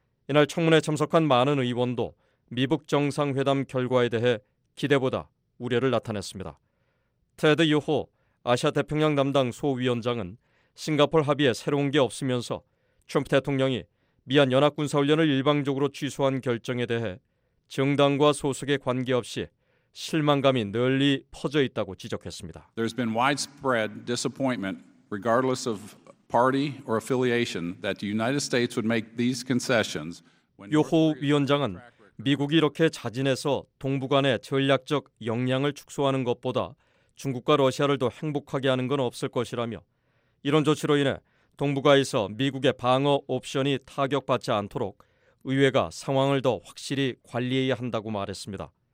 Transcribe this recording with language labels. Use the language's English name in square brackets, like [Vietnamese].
[Korean] 이날 청문회에 참석한 많은 의원도 미북 정상회담 결과에 대해 기대보다 우려를 나타냈습니다. 테드 유호 아시아 태평양 담당 소위원장은 싱가포르 합의에 새로운 게 없으면서 트럼프 대통령이 미한 연합군사훈련을 일방적으로 취소한 결정에 대해 정당과 소속에 관계없이 실망감이 널리 퍼져 있다고 지적했습니다. [English] There's been widespread disappointment, regardless of party or affiliation, that the United States would make these concessions. [Korean] 요호 위원장은 미국이 이렇게 자진해서 동북 간의 전략적 역량을 축소하는 것보다 중국과 러시아를 더 행복하게 하는 건 없을 것이라며 이런 조치로 인해 동북아에서 미국의 방어 옵션이 타격받지 않도록 의회가 상황을 더 확실히 관리해야 한다고 말했습니다.